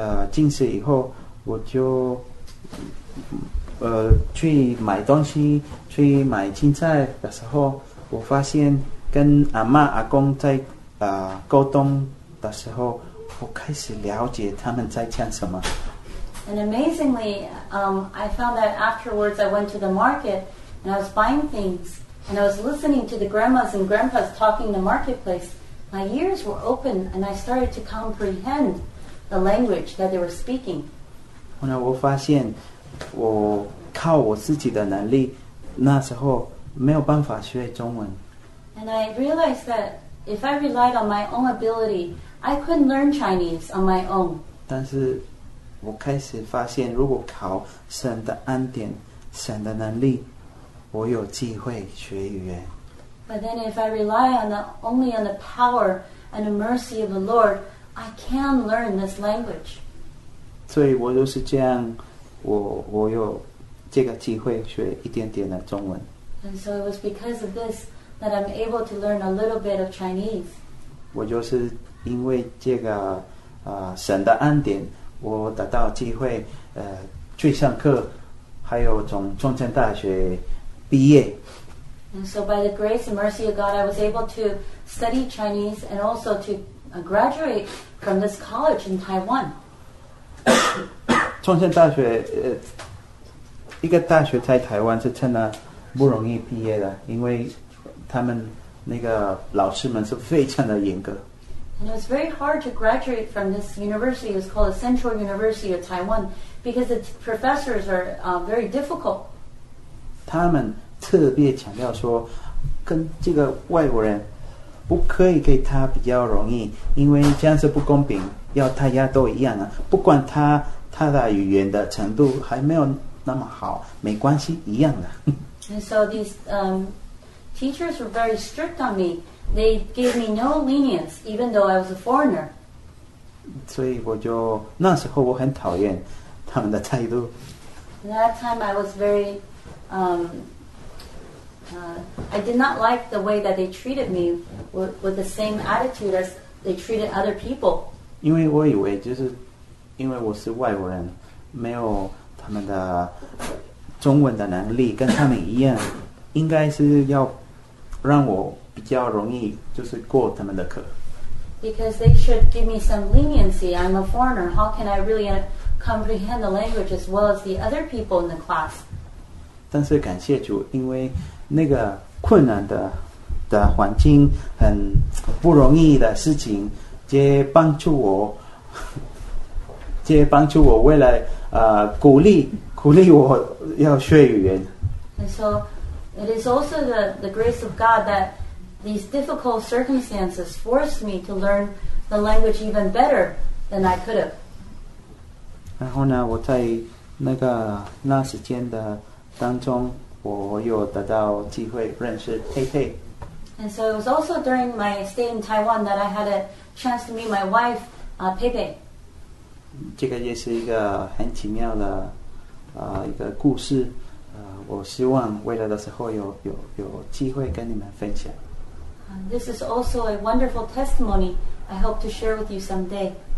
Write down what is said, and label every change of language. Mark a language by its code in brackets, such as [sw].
[zh] 近视以后，我就去买东西，去买青菜的时候，我发现跟阿妈阿公在沟通的时候，我开始了解他们在讲什么。 [en] And amazingly, I found that afterwards I went to the market and I was buying things and I was listening to the grandmas and grandpas talking in the marketplace. My ears were open and I started to comprehend the language that they were speaking. [zh] 后来我发现我靠我自己的能力那时候没有办法学中文。 [en] And I realized that if I relied on my own ability, I couldn't learn Chinese on my own. [zh] 但是我开始发现如果靠神的恩典神的能力我有机会学语言 [en] But then if I rely on the, only on the power and the mercy of the Lord I can learn this language [zh] 所以我就是这样 我有这个机会学一点点的中文 [en] And so it was because of this that I'm able to learn a little bit of Chinese [zh] 我就是因为这个、神的恩典我得到机会去上课还有从中正大学毕业 [en] And so by the grace and mercy of God I was able to study Chinese and also to graduate from this college in Taiwan [zh] 中正大学一个大学在台湾是真的不容易毕业的因为他们那个老师们是非常的严格 [en] And it was very hard to graduate from this university. It was called the Central University of Taiwan because its professors are very difficult. [zh] 他们特别强调说跟这个外国人不可以给他比较容易因为这样是不公平要大家都一样啊不管他的语言的程度还没有那么好没关系一样的。 [en] And so these teachers were very strict on me. They gave me no lenience, even though I was a foreigner. [zh] 所以我就那时候我很讨厌他们的态度。 [en] That time I was very, I did not like the way that they treated me with the same attitude as they treated other people. [zh] 因为我以为就是因为我是外国人，没有他们的中文的能力跟他们一样，应该是要让我。比较容易就是过他们的课 [en] Because they should give me some leniency. I'm a foreigner. How can I really comprehend the language as well as the other people in the class? [zh] 但是感谢主，因为那个困难的环境很不容易的事情，这帮助我，未来鼓励我要学语言。 [en] And so it is also the grace of God that. These difficult circumstances forced me to learn the language even better than I could have. [zh] 然后呢，我在那个那时间的当中，我有得到机会认识佩佩。 [en] And so it was also during my stay in Taiwan that I had a chance to meet my wife, Pei Pei. [zh] 这个也是一个很奇妙的一个故事。我希望未来的时候有机会跟你们分享。 [en] This is also a wonderful testimony I hope to share with you someday.